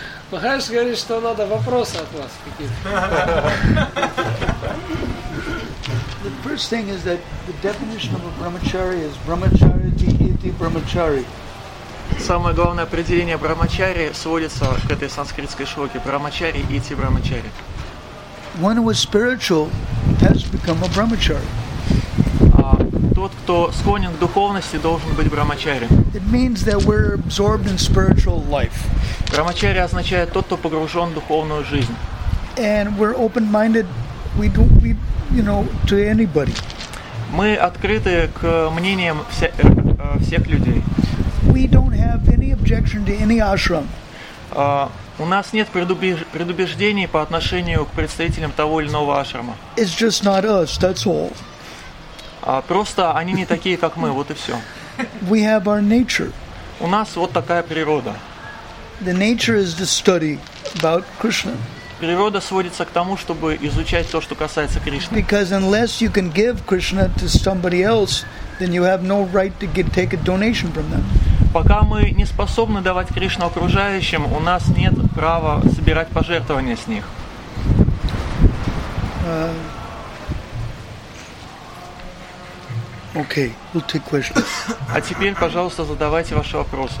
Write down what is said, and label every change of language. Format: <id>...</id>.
<ru>Махарадж говорит, что надо вопросы от вас какие-то.</ru> <en>The first thing is that the definition of a brahmachari is brahmachari dihiti brahmachari.</en> <ru>Самое главное определение брахмачари сводится к этой санскритской шлоке брахмачари ити брахмачари.</ru> <en>One who is spiritual has become a brahmachari.</en> <ru>Тот, кто склонен к духовности, должен быть брахмачари.</ru> <en>It means that we're absorbed in spiritual life.</en> <ru>Брахмачари означает тот, кто погружен в духовную жизнь.</ru> <en>And we're open-minded, we you know, to anybody.</en> <ru>Мы открыты к мнениям всех людей.</ru> <en>We don't have any objection to any ashram.</en> <ru>У нас нет предубеждений по отношению к представителям того или иного ашрама.</ru> <en>It's just not us, that's all.</en> <ru>Просто они не такие, как мы, вот и все.</ru> <en>We have our nature.</en> <ru>У нас вот такая природа.</ru> <en>The nature is to study about Krishna.</en> <ru>Природа сводится к тому, чтобы изучать то, что касается Кришны.</ru> <en>Because unless you can give Krishna to somebody else, then you have no right to take a donation from them.</en> <ru>Пока мы не способны давать Кришну окружающим, у нас нет права собирать пожертвования с них.</ru> <en>Okay, we'll take questions.</en> <ru>А теперь, пожалуйста, задавайте ваши вопросы.</ru>